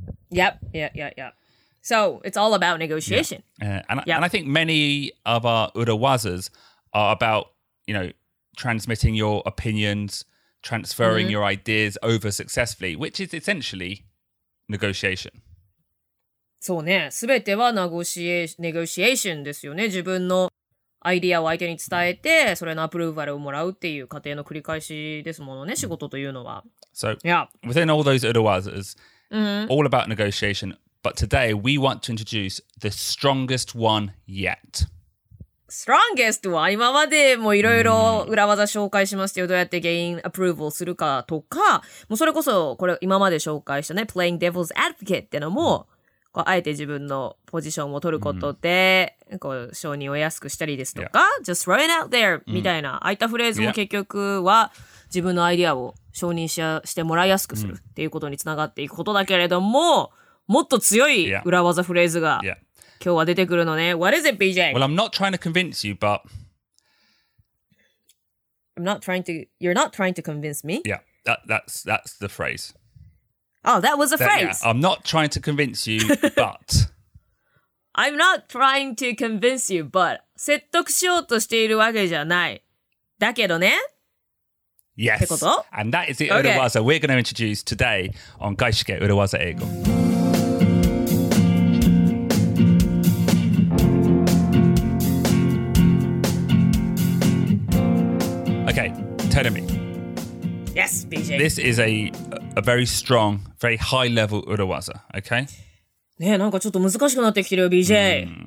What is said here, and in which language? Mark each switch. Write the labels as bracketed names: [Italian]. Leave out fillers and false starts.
[English] Mm-hmm. Yep. So, it's all about negotiation. Yeah. And I think many of our urawazas are about, you know, transmitting your opinions,transferring your ideas over successfully, which is essentially negotiation. [Japanese] そうね。すべては negotiation ですよね。自分のアイディアを相手に伝えて、それのアプローバルをもらうっていう過程の繰り返しですものね、仕事というのは。 [English] So, within all those urawazas, all about negotiation, but today we want to introduce the strongest one yet. Strongest one. [Japanese] 今までもいろいろ裏技紹介しましたよ。どうやってゲインアプローブをするかとか、もうそれこそこれ今まで紹介したね、 [English] playing devil's advocate [Japanese] ってのも、こうあえて自分のポジションを取ることで、こう承認を安くしたりですとか、 [English] just throwing out there [Japanese] みたいな、ああいったフレーズも結局は自分のアイディアを承認してもらいやすくするっていうことにつながっていくことだけれども、もっと強い裏技フレーズが。今日は出てくるのね。 [English] What is it, BJ? Well, I'm not trying to convince you, but... You're not trying to convince me? Yeah, that's the phrase. Oh, that was a phrase? Yeah, I'm not trying to convince you, but... I'm not trying to convince you, but... [Japanese] 説得しようとしているわけじゃない。だけどね。 [English] Yes. [Japanese] ってこと? [English] And that is the urawaza we're going to introduce today on 外資系裏技英語。 telling me. Yes, BJ. This is a very strong, very high level urawaza, okay? [Japanese] ねえ、なんかちょっと難しくなってきてるよ、BJ。